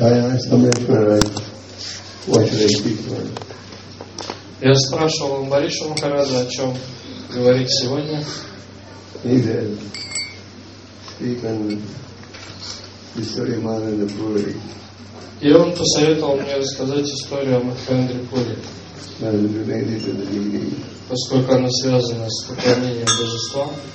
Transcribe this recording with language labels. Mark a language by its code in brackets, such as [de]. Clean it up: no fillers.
[en] I asked him if what should I speak for. [ru] Я спрашивал Бориса Махарадзе, о чем говорить сегодня. [en] He said, speak on the story of Mahendra Puri. [ru] И он посоветовал мне рассказать историю о Махендре Пури, поскольку она связана с поклонением божества.